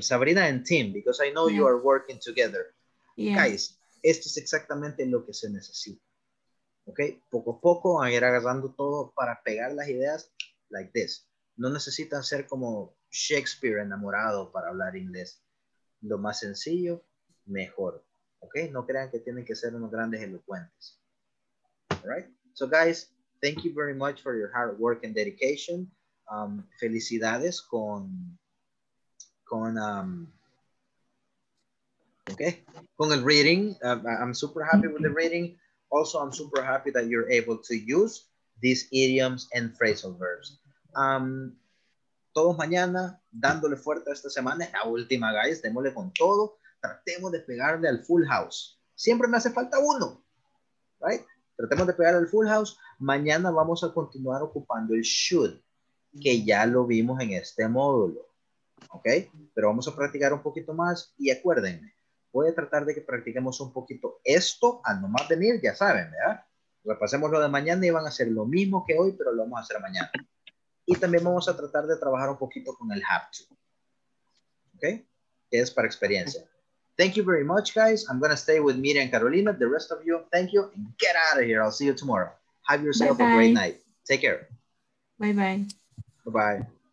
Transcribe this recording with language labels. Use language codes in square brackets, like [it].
[en] Sabrina and team, because I know you are working together. Yeah. [es] Guys, esto es exactamente lo que se necesita. Okay, poco a poco van a ir agarrando todo para pegar las ideas [en] like this. [es] No necesitan ser como Shakespeare enamorado para hablar inglés. Lo más sencillo, mejor. Okay, no crean que tienen que ser unos grandes elocuentes. [en] All right, so guys, thank you very much for your hard work and dedication. [es] Felicidades con el reading. [en] I'm super happy with the reading. Also, I'm super happy that you're able to use these idioms and phrasal verbs. [es] Todos mañana, dándole fuerte esta semana, la última, guys, démosle con todo. Tratemos de pegarle al full house. Siempre me hace falta uno, right? Tratemos de pegarle al full house. Mañana vamos a continuar ocupando el should, que ya lo vimos en este módulo, okay? Pero vamos a practicar un poquito más y acuérdenme. Voy a tratar de que practiquemos un poquito esto al nomás venir, ya saben, ¿verdad? Repasemos lo de mañana y van a hacer lo mismo que hoy, pero lo vamos a hacer mañana. Y también vamos a tratar de trabajar un poquito con el have to. [en] ¿Ok? [es] Que es para experiencia. [en] Thank you very much, guys. I'm going to stay with Miriam and Carolina. The rest of you, thank you. And get out of here. I'll see you tomorrow. Have yourself bye a bye. Great night. Take care. Bye-bye. Bye-bye. Take care. Bye.